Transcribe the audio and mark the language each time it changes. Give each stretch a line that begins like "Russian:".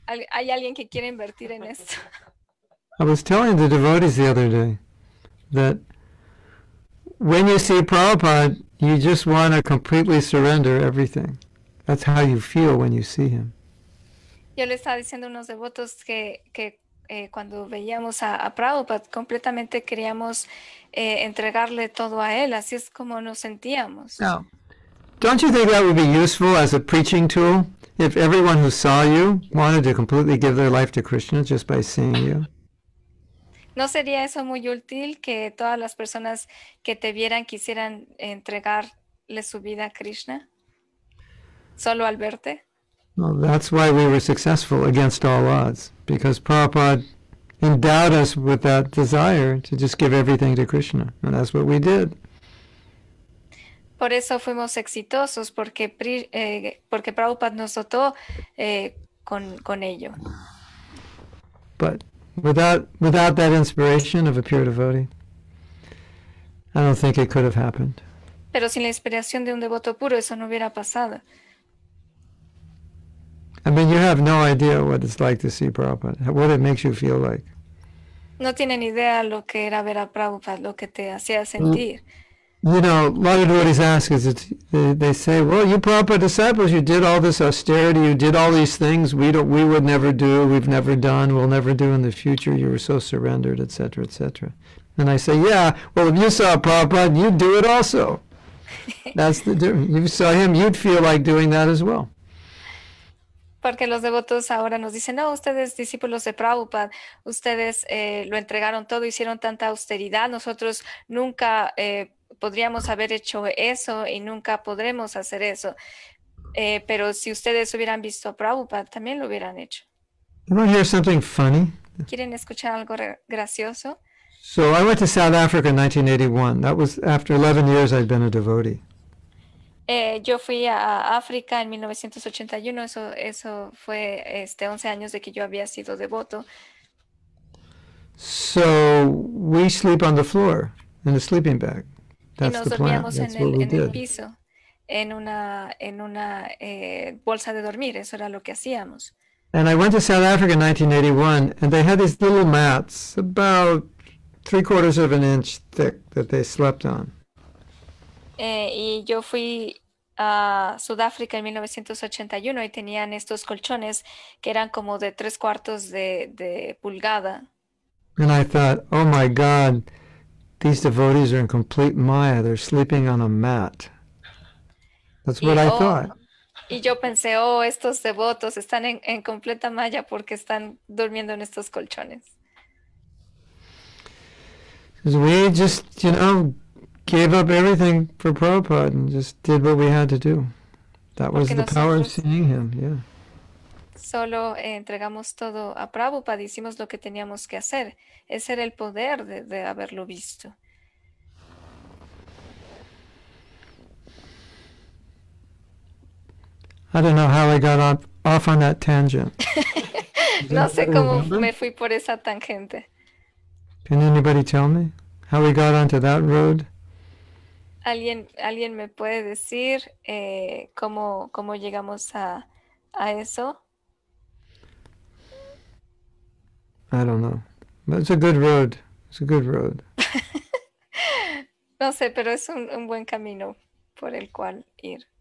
Spanish: Hay alguien que quiere invertir en esto.
English: I was telling the devotees the other day that when you see Prabhupada, you just want to completely surrender everything. That's how you feel when you see him.
Spanish: Yo le estaba diciendo a unos devotos que cuando veíamos a Prabhupada, completamente queríamos entregarle todo a él. Así es como nos sentíamos.
English: Now, don't you think that would be useful as a preaching tool if everyone who saw you wanted to completely give their life to Krishna just by seeing you?
Spanish: ¿No sería eso muy útil que todas las personas que te vieran quisieran entregarle su vida a Krishna solo al verte?
English: Well, that's why we were successful against all odds, because Prabhupada endowed us with that desire to just give everything to Krishna, and that's what we did.
Spanish: Por eso fuimos exitosos, porque Prabhupada nos dotó con ello.
English: But without that inspiration of a pure devotee, I don't think it could have happened.
Spanish: Pero sin la inspiración de un devoto puro, eso no hubiera pasado.
English: I mean, you have no idea what it's like to see Prabhupada, what it makes you feel like.
Spanish: No tienen idea lo que era ver a Prabhupada, lo que te hacía sentir.
English: You know, a lot of devotees ask, they say, well, you Prabhupada disciples, you did all this austerity, you did all these things we would never do, we've never done, we'll never do in the future, you were so surrendered, etc., etc. And I say, yeah, well, if you saw Prabhupada, you'd do it also. That's the difference. You saw him, you'd feel like doing that as well.
Spanish: Porque los devotos ahora nos dicen, no, ustedes discípulos de Prabhupada, ustedes lo entregaron todo, hicieron tanta austeridad, nosotros nunca podríamos haber hecho eso y nunca podremos hacer eso. Pero si ustedes hubieran visto a Prabhupada, también lo hubieran hecho.
English: You want to hear something funny?
Spanish: ¿Quieren escuchar algo gracioso?
English: So I went to South Africa in 1981. That was after 11 years I'd been a devotee.
Spanish: Yo fui a África en 1981, eso fue 11 años de que yo había sido devoto.
English: So we sleep on the floor in a sleeping bag. That's the plan. That's what we did.
Spanish: En el piso, en una bolsa de dormir, eso era lo que hacíamos.
English: And I went to South Africa in 1981, and they had these little mats about 3/4 inch thick that they slept on.
Spanish: Y yo fui a Sudáfrica en 1981 y tenían estos colchones que eran como de 3/4 de pulgada.
English: And I thought, oh my God, these devotees are in complete maya. They're sleeping on a mat. That's what I thought.
Spanish: Y yo pensé, oh, estos devotos están en completa maya porque están durmiendo en estos colchones.
English: We just, you know, gave up everything for Prabhupada and just did what we had to do. That was
Spanish: Porque
English: the power of seeing him, yeah.
Spanish: Solo entregamos todo a Prabhupada, hicimos lo que teníamos que hacer. Ese era el poder de haberlo visto.
English: I don't know how I got off on that tangent.
Spanish: No sé cómo me fui por esa tangente.
English: Can anybody tell me how we got onto that road?
Spanish: ¿Alguien me puede decir cómo llegamos a eso?
English: I don't know. But it's a good road. It's a good road.
Spanish: No sé, pero es un buen camino por el cual ir.